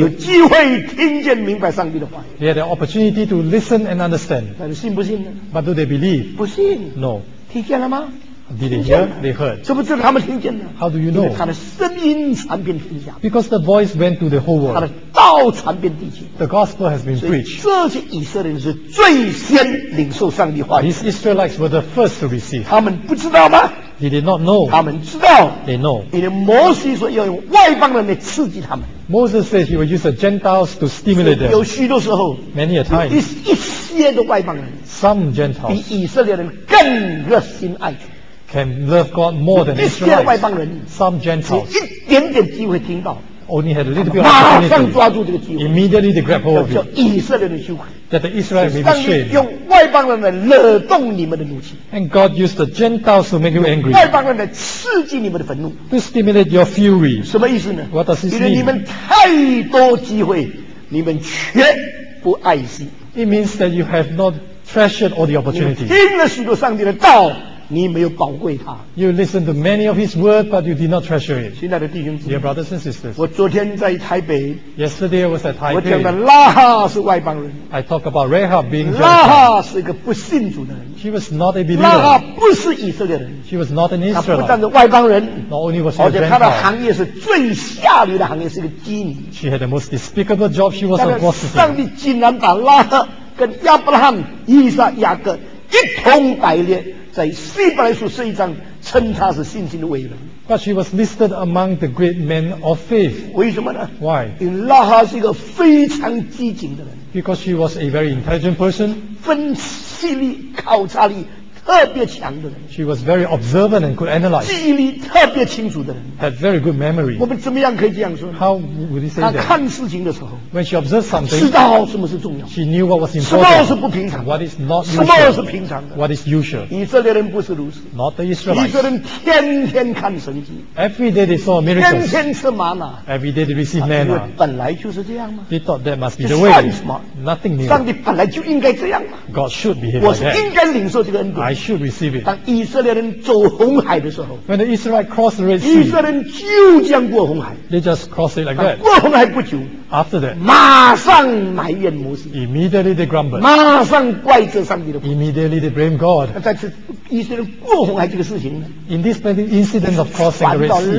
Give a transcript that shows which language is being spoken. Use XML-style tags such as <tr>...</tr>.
<zh>有机会听见明白上帝的话</zh> <en>They had the opportunity to listen and understand</en> <zh>但是信不信呢</zh> <en>But do they believe</en> <zh>不信</zh> <en>No</en> <zh>听见了吗</zh> <en>Did they hear They heard</en> <zh>这不知道他们听见了</zh> <en>How do you know</en> <zh>他的声音传遍天下</zh> <en>Because the voice went to the whole world</en> <zh>他的道传遍地极</zh> <en>The gospel has been preached</en> <zh>这些以色列人是最先领受上帝话语</zh> <en>These Israelites were the first to receive</en> <zh>他们不知道吗</zh> <en>They did not know</en> <zh>他们知道</zh> <en>They know</en> <zh>因为摩西说要用外邦人来刺激他们</zh> <en>Moses says he will use the Gentiles to stimulate them</en> <zh>有许多时候</zh> <en>Many a time</en> <zh>一些的外邦人</zh> <en>Some Gentiles</en> <zh>比以色列人更热心爱主</zh> <en>Can love God more than Israel. Some Gentiles</en> <zh>一点点机会听到</zh> <en>only had a little bit of opportunity.</en> <zh>马上抓住这个机会</zh> <en>immediately they grab hold of it.</en> <zh>叫以色列人羞愧</zh> <en>that the Israel may be ashamed.</en> <zh>用外邦人来惹动你们的怒气</zh> <en>and God used the Gentiles to make you angry.</en> <zh>外邦人来刺激你们的愤怒</zh> <en>to stimulate your fury.</en> <zh>什么意思呢</zh> <en>what does this mean?</en> <zh>因为你们太多机会，你们却不爱惜 It means that you have not treasured all the opportunities. 你们听了许多上帝的道。你没有宝贵他。</zh> <en>You listen to many of his word, but you did not treasure it.</en> <zh>亲爱的弟兄姊妹</zh> <en>Dear brothers and sisters,</en> <zh>我昨天在台北。</zh> <en>Yesterday I was at Taipei.</en> <zh>我讲的拉哈是外邦人。</zh> <en>I talk about Rahab being Gentile.</en> <zh>拉哈是一个不信主的人。</zh> <en>She was not a believer.</en> <zh>拉哈不是以色列人。</zh> <en>She was not an Israelite.</en> <zh>她不但是外邦人。</zh> <en>Not only was she a Gentile.</en> <zh>而且她的行业是最下流的行业，是个妓女。</zh> <en>She had the most despicable job. She was a prostitute.</en> <zh>上帝竟然把拉哈跟亚伯拉罕、以撒、雅各一同摆列。在希伯来书十一章称他是信心的伟人</zh> <en>But she was listed among the great men of faith</en> <zh>为什么呢</zh> <en>Why?</en> <zh>因为拉哈是一个非常机警的人</zh> <en>Because she was a very intelligent person</en> <zh>分析力考察力特别强的人</zh> <en>She was very observant and could analyze</en> <zh>记忆力特别清楚的人</zh> <en>Had very good memory</en> <zh>我们怎么样可以这样说</zh> <en>How would he say that?</en> <zh>他看事情的时候</zh> <en>When she observed something</en> <zh>知道什么是重要</zh> <en>She knew what was important</en> <zh>什么是不平常</zh> <en>What is not usual</en> <zh>什么是平常的</zh> <en>What is usual</en> <zh>以色列人不是如此</zh> <en>Not the Israelites</en> <zh>以色列人天天看神迹</zh> <en>Every day they saw miracles</en> <zh>天天吃玛瑙</zh> <en>Every day they received manna</en> <zh>因为本来就是这样吗</zh> <en>They thought that must be the way Nothing new</en> <zh>上帝本来就应该这样</zh> <en>God should behave like that</en> <zh>我是应该领受这个恩典</zh> <en>Should receive it.</en> <zh>当以色列人走红海的时候</zh> <en>When the Israelites crossed the Red Sea</en> <zh>以色列人就这样过红海</zh> <en>They just crossed it like that</en> <zh>过红海不久</zh> <en>After that,</en> <zh>马上埋怨摩西。</zh> <en>Immediately they grumbled.</en> <zh>马上怪罪上帝的。</zh> <en>Immediately they blame God.</en> <zh>在这以色列过红海这个事情呢</zh> <en>？In this incident of crossing the Red Sea,</en>